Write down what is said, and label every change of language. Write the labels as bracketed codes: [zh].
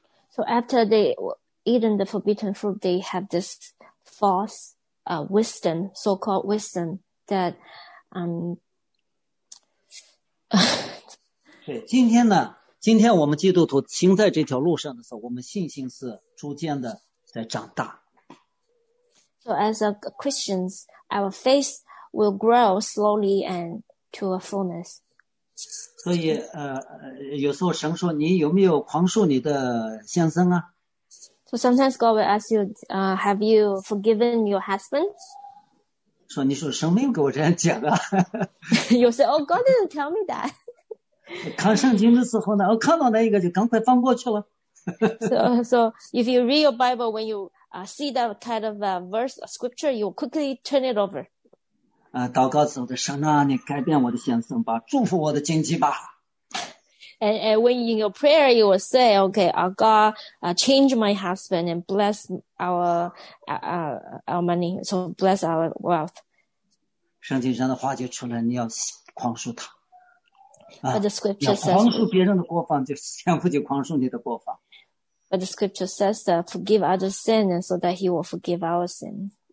[en] So after they eaten the forbidden fruit, they have this false wisdom, so-called wisdom, that, [zh] 对,今天呢, 今天我们基督徒行在这条路上的时候, 我们信心是逐渐的在长大。 [en] So as a Christians, our faith will grow slowly and to a fullness. [zh] 所以, 有时候神说, 你有没有宽恕你的先生啊? [en] So sometimes God will ask you, have you forgiven your husband? [zh] 说你说神没有给我这样讲啊? [en] You say, oh, God didn't tell me that. [zh] 看圣经的时候呢, 看到那一个就赶快翻过去了。 [en] So if you read your Bible when you see that kind of verse, scripture, you quickly turn it over. [zh] 祷告时候的神啊, 你改变我的先生吧, 祝福我的经济吧。 [en] And when in your prayer, you will say, okay, our God, change my husband and bless our money, so bless our wealth. [zh] 圣经上的话就出来, 你要宽恕他。 [en] But the scripture says, [zh] 要宽恕别人的过犯, 天父就宽恕你的过犯。 [en] But the scripture says that forgive others' sin so that he will forgive our sin.